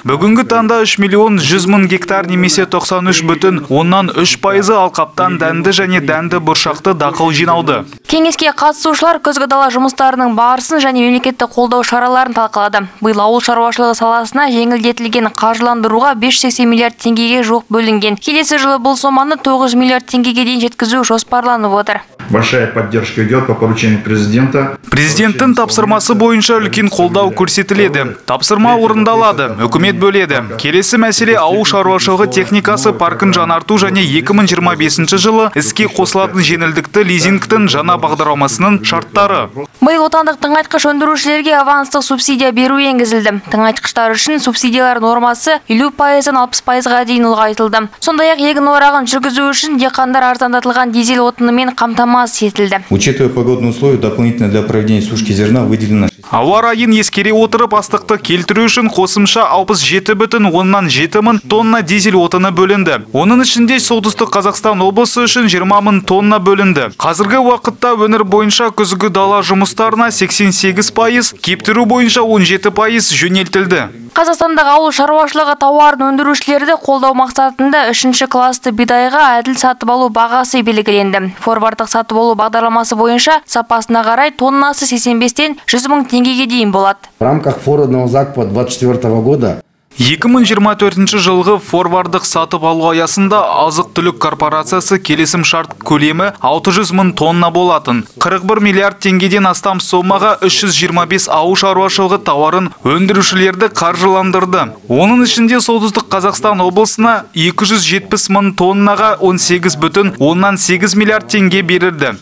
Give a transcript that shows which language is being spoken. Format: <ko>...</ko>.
<kk>Бүгінгі таңда 3 миллион 100 мың гектар немесе 93,3% алқаптан дәнді және дәнді бұршақты дақыл жиналды. Кеңеске қатысушылар күзгі дала жұмыстарының барысын және мемлекетті қолдау шараларын талқылады. Биыл ауыл шаруашылығы саласына жеңілдетілген қаржыландыруға 580 миллиард теңгеге жуық бөлінген. Келесі жылы бұл соманы 9 миллиард теңгеге дейін жеткізу жоспарланып отыр.</kk> <ru>Большая поддержка идет по поручению президента.</ru> <kk>Президенттің тапсырмасы бойынша үлкен қолдау көрсетіледі. Тапсырма орындалады, үкімет бөледі. Келесі мәселе ауыл шаруашылығы техникасы паркын жаңарту және 2025 жылы іске қосылатын жеңілдікті лизингтің жаңа бағдарламасының шарттары. Биыл отандық тыңайтқыш өндірушілерге авансты субсидия беру енгізілді. Тыңайтқыштар үшін субсидиялар нормасы 50%-ден 60%-ға дейін ұлғайтылды. Сондай-ақ егін орағын жүргізу үшін диқандар арзандатылған дизель отынымен қамтамасыз етілді.</kk> <ru>Учитывая погодные условия, дополнительно для проведения сушки зерна выделено.</ru> <kk>Ауа райын ескере отырып астықты келтіру үшін қосымша 67,7 мың тонна дизель отыны бөлінді. Оның ішінде солтүстік Қазақстан облысы үшін 20 мың тонна бөлінді. Қазіргі уақытта өңір бойынша күзгі дала жұмыстарына 88%, кептіру бойынша 17% жөнелтілді. Қазақстандағы ауыл шаруашылығы тауарын өндірушілерді қолдау мақсатында 3-ші класты бидайға әділ сатып алу бағасы белгіленді. Форвардтық сатып алу бағдарламасы бойынша сапасына қарай тоннасы 85-тен 100 мың теңгеге дейін болады.</kk> <ru>В рамках форвардного закупа 2024 года</ru> <kk>2024 жылғы форвардық сатып алу аясында азық-түлік корпорациясы келісім шарт көлемі 600 мың тонна болатын. 41 миллиард теңгеден астам соммаға 325 ауыл шаруашылығы тауарын өндірушілерді қаржыландырды. Оның ішінде солтүстік Қазақстан облысына 270 мың тоннаға 18,8 миллиард теңге берілді.</kk>